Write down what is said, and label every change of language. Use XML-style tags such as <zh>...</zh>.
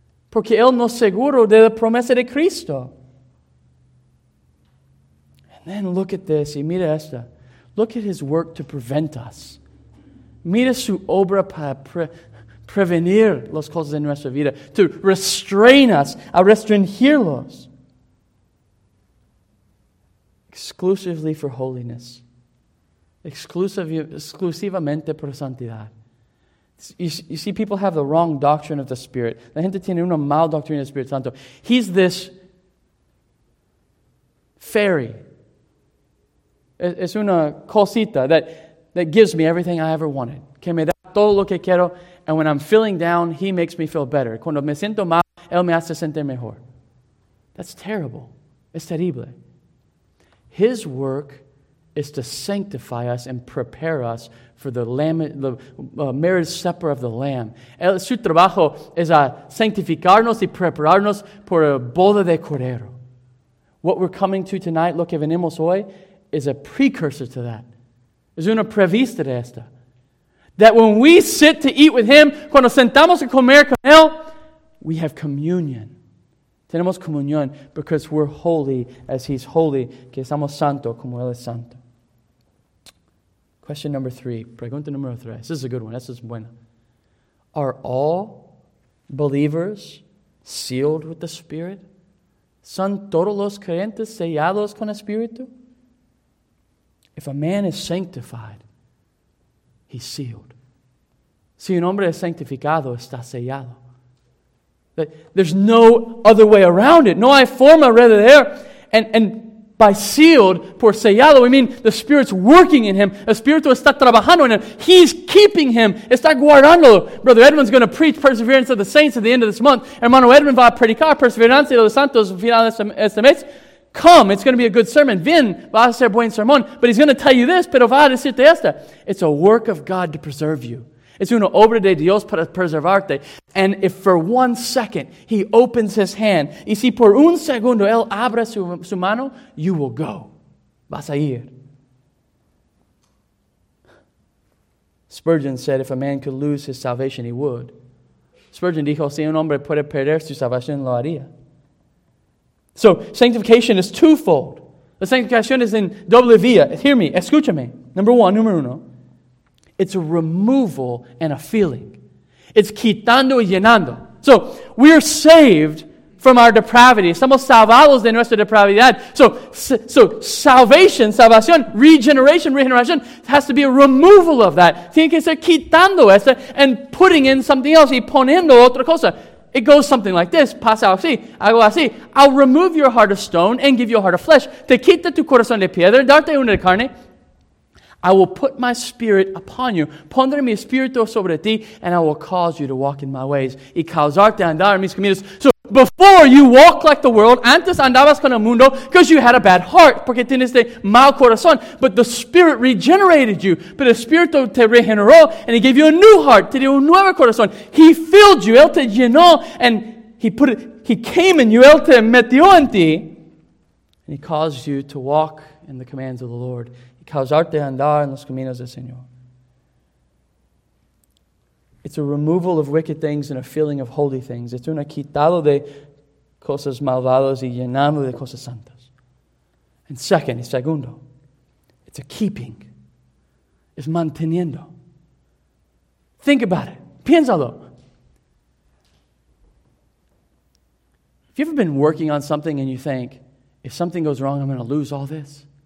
<es>Porque Él nos seguro de la promesa de Cristo.</es> <en>And then look at this,</en> <es>y mira esta.</es> <en>Look at His work to prevent us.</en> <es>Mira su obra para prevenir las cosas en nuestra vida.</es> <en>To restrain us,</en> <es>a restringirlos.</es> <en>Exclusively for holiness.</en> <es>Exclusivamente por santidad.</es> <en>You see, people have the wrong doctrine of the Spirit.</en> <es>La gente tiene una mala doctrina del Espíritu Santo.</es> <en>He's this fairy.</en> <es>Es una cosita</es> <en>that gives me everything I ever wanted.</en> <es>Que me da todo lo que quiero.</es> <en>And when I'm feeling down, He makes me feel better.</en> <es>Cuando me siento mal, Él me hace sentir mejor.</es> <en>That's terrible.</en> <es>Es terrible.</es> <en>His work is to sanctify us and prepare us for the marriage supper of the Lamb.</en> <es>Su trabajo es a sanctificarnos y prepararnos por la boda de Cordero.</es> <en>What we're coming to tonight,</en> <es>lo que venimos hoy,</es> <en>is a precursor to that.</en> <es>Es una prevista de esta.</es> <en>That when we sit to eat with Him,</en> <es>cuando sentamos a comer con Él,</es> <en>we have communion.</en> <es>Tenemos comunión</es> <en>because we're holy as He's holy,</en> <es>que somos santo como Él es santo.</es> <en>Question number three.</en> <es>Pregunta número tres.</es> <en>This is a good one. This is buena. Are all believers sealed with the Spirit?</en> <es>¿Son todos los creyentes sellados con el Espíritu?</es> <en>If a man is sanctified, he's sealed.</en> <es>Si un hombre es santificado, está sellado.</es> <en>But there's no other way around it.</en> <es>No hay forma alrededor.</es> <en>And by sealed,</en> <es>por sellado,</es> <en>we mean the Spirit's working in him.</en> <es>El Espíritu está trabajando en él.</es> <en>He's keeping him.</en> <es>Está guardándolo.</es> <en>Brother Edwin's going to preach Perseverance of the Saints at the end of this month.</en> <es>Hermano Edwin va a predicar Perseverance de los Santos al final de este mes.</es> <en>Come, it's going to be a good sermon.</en> <es>Ven, va a ser buen sermón.</es> <en>But he's going to tell you this,</en> <es>pero va a decirte esta.</es> <en>It's a work of God to preserve you.</en> <es>Es una obra de Dios para preservarte.</es> <en>And if for one second He opens His hand,</en> <es>y si por un segundo Él abre su mano,</es> <en>you will go.</en> <es>Vas a ir.</es> <en>Spurgeon said if a man could lose his salvation, he would.</en> <es>Spurgeon dijo, si un hombre puede perder su salvación, lo haría.</es> <en>So sanctification is twofold.</en> <es>La sanctificación es en doble vía.</es> <en>Hear me,</en> <es>escúchame.</es> <en>Number one,</en> <es>número uno.</es> <en>It's a removal and a feeling.</en> <es>It's quitando y llenando.</es> <en>So we are saved from our depravity.</en> <es>Estamos salvados de nuestra depravidad.</es> <en>So salvation, salvación, regeneration has to be a removal of that.</en> <es>Tiene que ser quitando eso</es> <en>and putting in something else</en> <es>y poniendo otra cosa.</es> <en>It goes something like this.</en> <es>Pasa así. Hago así.</es> <en>I'll remove your heart of stone and give you a heart of flesh.</en> <es>Te quita tu corazón de piedra, darte una de carne.</es> <en>I will put my spirit upon you.</en> <es>Pondré mi espíritu sobre ti,</es> <en>and I will cause you to walk in my ways.</en> <es>Y causarte a andar en mis caminos.</es> <en>So before you walk like the world,</en> <es>antes andabas con el mundo</es> <en>because you had a bad heart,</en> <es>porque tienes de mal corazón.</es> <en>But the Spirit regenerated you.</en> <es>Pero el Espíritu te regeneró,</es> <en>and He gave you a new heart,</en> <es>te dio un nuevo corazón.</es> <en>He filled you,</en> <es>Él te llenó,</es> <en>and He came in you,</en> <es>Él te metió en ti.</es> <en>And He caused you to walk in the commands of the Lord.</en> <es>Causarte andar en los caminos del Señor.</es> <en>It's a removal of wicked things and a feeling of holy things.</en> <es>It's una quitado de cosas malvadas y llenando de cosas santas.</es> <en>And second,</en> <es>y segundo,</es> <en>it's a keeping. It's manteniendo. Think about it.</en> <es>Piénsalo.</es> <en>Have you ever been working on something and you think, if something goes wrong, I'm going to lose all this?</en>